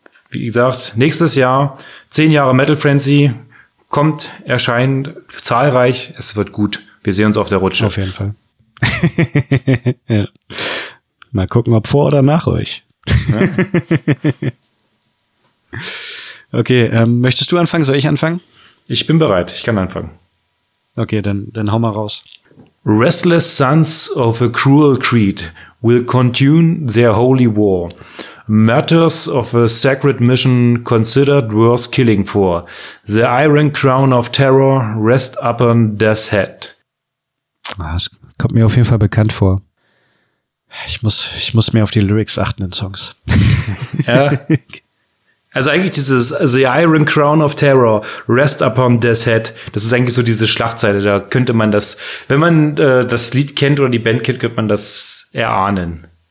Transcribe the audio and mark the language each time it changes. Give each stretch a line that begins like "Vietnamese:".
German: Wie gesagt, nächstes Jahr, 10 Jahre Metal Frenzy, kommt, erscheint zahlreich. Es wird gut. Wir sehen uns auf der Rutsche. Auf jeden Fall. Ja. Mal gucken, ob vor oder nach euch. Ja. Okay, möchtest du anfangen? Soll ich anfangen? Ich bin bereit, ich kann anfangen. Okay, dann hau mal raus.
English: Restless sons of a cruel creed will continue their holy war. Martyrs of a sacred mission considered worth killing for. The iron crown of terror rests upon death's head.
German: Das kommt mir auf jeden Fall bekannt vor. Ich muss mehr auf die Lyrics achten in Songs. Ja. Also eigentlich dieses
English: The Iron Crown of Terror, Rest Upon Death's Head,
German: das ist eigentlich so diese Schlagzeile. Da könnte man das, wenn man das Lied kennt oder die Band kennt, könnte man das erahnen.